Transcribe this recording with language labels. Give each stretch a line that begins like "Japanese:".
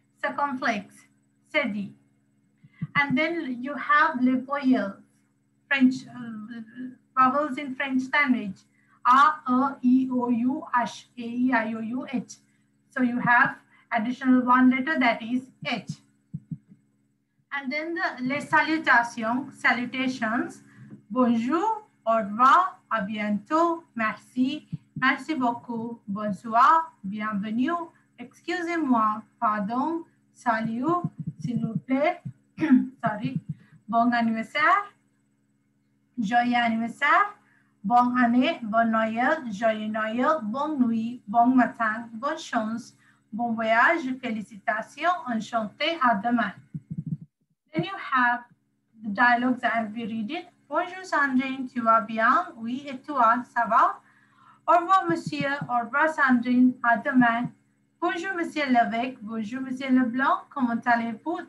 English: Circumflex, sedi. And then you have
French: les voyelles,
English: French vowels in French language.
French: A, E, E, O, U, H, A, E, I, O, U, H.
English: So you have additional one letter, that is H. And then the
French: les salutations, salutations. Bonjour, au revoir, à bientôt, merci, merci beaucoup, bonsoir, bienvenue, excusez-moi, pardon, salut, s'il vous plaît,
English: sorry,
French: bon anniversaire, joyeux anniversaire, bon année, bon Noël, joyeux Noël, bon nuit, bon matin, bonne chance, bon voyage, félicitations, enchanté, à demain.
English: Then you have the dialogues that we read it.
French: Bonjour Sandrine, tu vas bien? Oui, et toi, ça va? Au revoir monsieur, au revoir Sandrine, à demain. Bonjour monsieur Lévesque, bonjour monsieur Leblanc, comment allez-vous?